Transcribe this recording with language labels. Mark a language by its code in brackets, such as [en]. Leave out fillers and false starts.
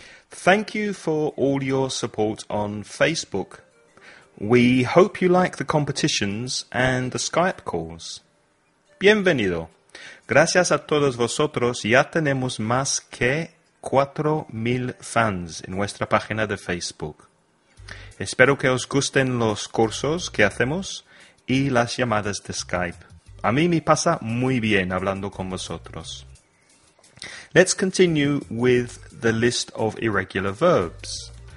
[en] Thank you for all your support on Facebook. We hope you like the competitions and the Skype calls. [es] Bienvenido. Gracias a todos vosotros, ya tenemos más que 4,000 fans en nuestra página de Facebook. Espero que os gusten los cursos que hacemos y las llamadas de Skype. A mí me pasa muy bien hablando con vosotros. [en] Let's continue with the list of irregular verbs.